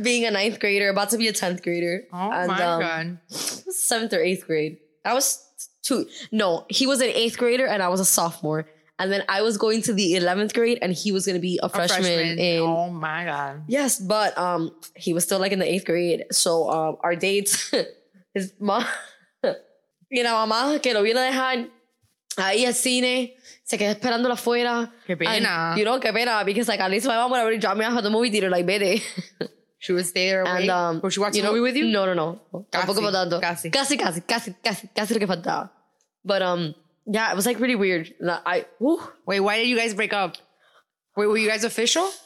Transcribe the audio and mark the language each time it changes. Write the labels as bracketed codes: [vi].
[en] Being a ninth grader. About to be a tenth grader. Oh, and, my God. Seventh or eighth grade. I was two. No, he was an eighth grader and I was a sophomore. And then I was going to the 11th grade and he was going to be a freshman. Oh my God. Yes, but he was still like in the 8th grade. So our dates, his mom, [es] y la mamá que lo viene a dejar ahí al cine, se quedó esperando afuera. Qué pena. [en] And, you know, [es] qué pena. [en] Because like at least my mom would already drop me off at the movie theater like, [es] vete. [en] She was there and was she watching a movie with you? [es] No. Tampoco faltando. Casi lo que faltaba. [en] But yeah, it was like really weird. Wait, why did you guys break up? Wait, were you guys official?